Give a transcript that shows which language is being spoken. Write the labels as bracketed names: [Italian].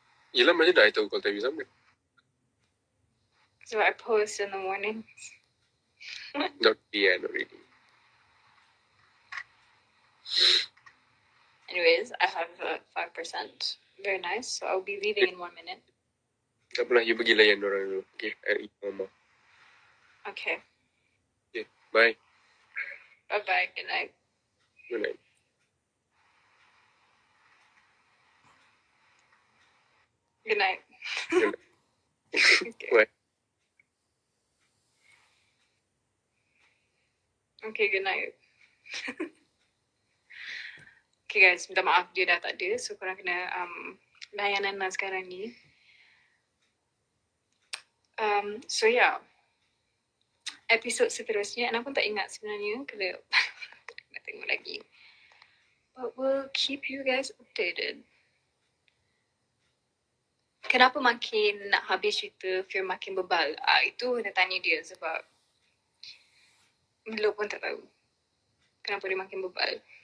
[Malay] Yelah, macam mana tahu [English] call time [Malay] sama? [English] So I post in the morning. Not the end already. Anyways, I have 5%. Very nice. So I'll be leaving in 1 minute. [Malay] Tak apalah, you pergi layan orang dulu. [English] Okay, I mama. Okay. Okay, bye. Bye-bye, good night. Good night. Good night. Okay. What? Okay, good night. Okay guys, [Malay] minta maaf dia dah tak ada. So korang kena layanan lah sekarang ni. [English] So yeah. [Malay] Episode seterusnya, and aku tak ingat sebenarnya. Kena tengok lagi. [English] But we'll keep you guys updated. [Malay] Kenapa makin nak habis cerita Fir makin bebal? Itu kena tanya dia sebab Melo pun tak tahu kenapa dia makin bebal.